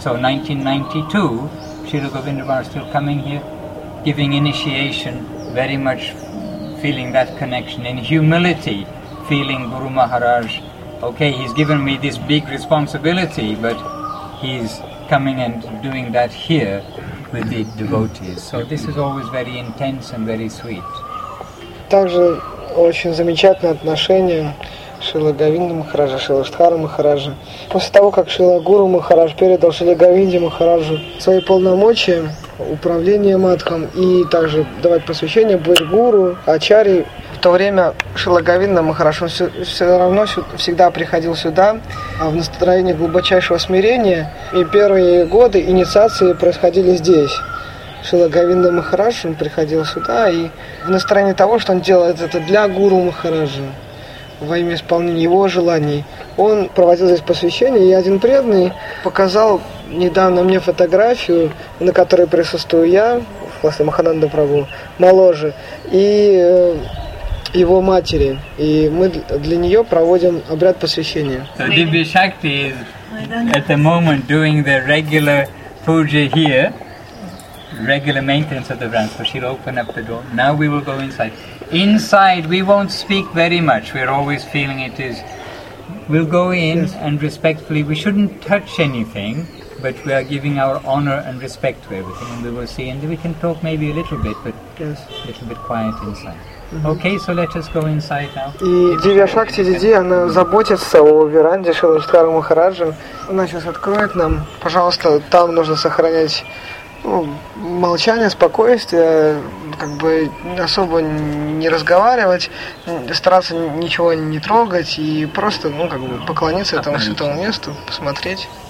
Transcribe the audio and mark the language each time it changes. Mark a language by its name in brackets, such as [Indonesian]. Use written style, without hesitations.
[English] So 1992, Srila Govindamar still coming here, giving initiation, very much feeling that connection in humility, feeling Guru Maharaj. Okay, he's given me this big responsibility, but he's coming and doing that here with the devotees. So this is always very intense and very sweet. [Russian] Также очень замечательное отношение Шрилы Говинды Махараджа, Шрилы Шридхары Махараджа. После того, как Шрила Гуру Махарадж передал Шриле Говинде Махараджу свои полномочия, управление матхом и также давать посвящение, быть гуру, ачарьей, в то время Шрила Говинда Махарадж все равно всегда приходил сюда в настроении глубочайшего смирения. И первые годы инициации происходили здесь. Шрила Говинда Махарадж приходил сюда и в настроении того, что он делает это для Гуру Махараджа, во имя исполнения его желаний, он проводил здесь посвящение. И один преданный показал недавно мне фотографию, на которой присутствую я, после Махананда Прабху, моложе. И его матери, и мы для нее проводим обряд посвящения. [English] So Divya Shakti is at the moment doing the regular puja here, regular maintenance of the veranda. So she'll open up the door. Now we will go inside. Inside we won't speak very much. We're always feeling it is. We'll go in and respectfully. We shouldn't touch anything, but we are giving our honor and respect to everything. And we will see, and we can talk maybe a little bit, but a little bit quiet inside. Okay, so let us go inside now. [Russian] И Дивья Шакти Диди, она заботится о веранде Шрилы Шридхары Махараджа. Она сейчас откроет нам, пожалуйста, там нужно сохранять молчание, спокойствие, как бы особо не разговаривать, стараться ничего не трогать и просто, как бы поклониться этому святому месту, посмотреть.